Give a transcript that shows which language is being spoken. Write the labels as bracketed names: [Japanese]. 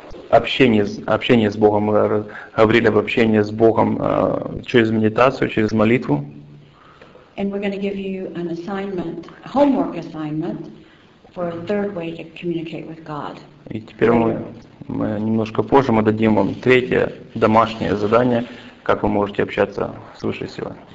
[Russian] Общение с Богом, мы говорили об общении с Богом через медитацию, через молитву. [English] And we're going to give you an assignment, a homework assignment, for a third way to communicate with God. [Russian] И теперь мы немножко позже мы дадим вам третье домашнее задание, как вы можете общаться с Высшей Силой.